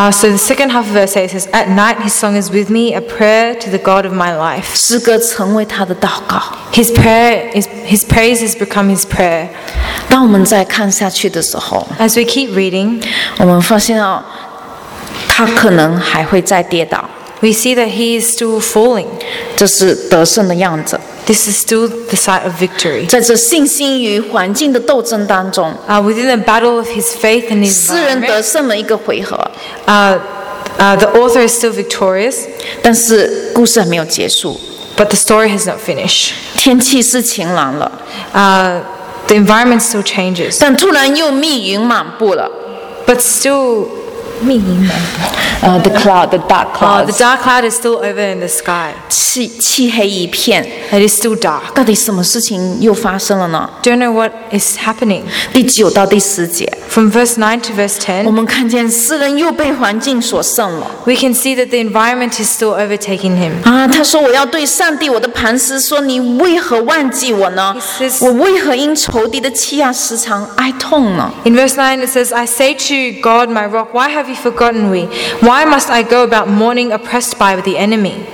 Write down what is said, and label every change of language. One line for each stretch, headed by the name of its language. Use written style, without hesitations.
English: So the second half of verse 8 says, "At night his song is with me, a prayer to the God of my life."
Chinese: 诗歌成为他的祷告。
English: His praise has become his prayer.
Chinese: 当我们再看下去的时候
English: ，As we keep reading,
Chinese: 我们发现哦，他可能还会再跌倒。
English: We see that he is still falling.
Chinese: 这是得胜的样子。
English: This is still the sight of victory.
Chinese: 在这信心与环境的斗争当中。
English: Within the battle of his faith and his
Chinese: environment. 诗人得胜了一个回合。
English: The author is still victorious.
Chinese: 但是故事还没有结束。
English: But the story has not finished.
Chinese: 天气是晴朗了。
English: The environment still changes.
Chinese: 但突然又密云满布了。
English: But still, The cloud, the dark cloud. The dark cloud is still over in the sky.
Chinese: 漆黑一片.
English: It is still dark.
Chinese: 到底什么事情又发生了呢?
English: Don't know what is happening.
Chinese: 第9到第10节.
English: From verse 9 to verse 10,
Chinese: 我们看见诗人又被环境所胜了.
English: We can see that the environment is still overtaking him.
Chinese: 他说我要对上帝我的磐石说, 你为何忘记我呢?
English: Says,
Chinese: 我为何因仇敌的欺压时常哀痛呢?
English: In verse 9 it says, I say to God, my rock, why have you forgotten me? Why must I go about mourning oppressed by the enemy?